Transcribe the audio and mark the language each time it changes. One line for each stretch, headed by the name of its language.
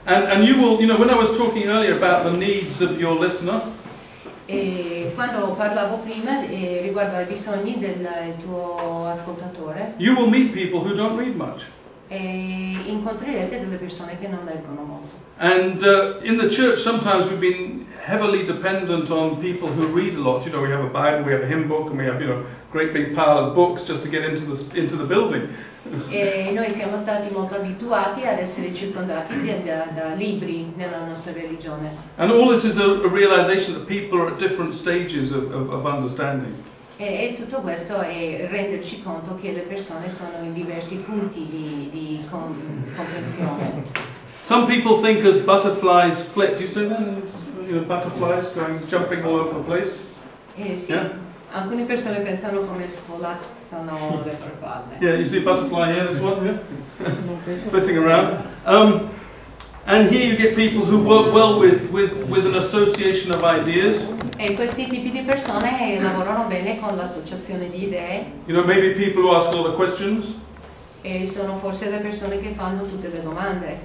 English: And you will, you know, when I was talking earlier about the needs of your listener.
Italian: E quando parlavo prima riguardo ai bisogni del tuo ascoltatore.
English: You will meet people who don't read much.
Italian: E incontrerete delle persone che non leggono molto.
English: And in the church sometimes we've been heavily dependent on people who read a lot. You know, we have a Bible, we have a hymn book, and we have, you know, great big pile of books just to get into the building.
Italian: E noi siamo stati molto abituati ad essere circondati da libri nella nostra religione.
English: And all this is a realization that people are at different stages of understanding.
Italian: E tutto questo è renderci conto che le persone sono in diversi punti di comprensione.
English: Some people think as butterflies flit. Do you say that? You know, butterflies going jumping all over the place.
Italian: Sì. Yeah. Alcune persone pensano come svolazzano le farfalle.
English: Yeah, you see a butterfly here, this one, yeah? Flitting around. And here you get people who work well with an association of ideas.
Italian: E questi tipi di persone lavorano bene con l'associazione di idee.
English: You know, maybe people who ask all the questions.
Italian: E sono forse le persone che fanno tutte le domande.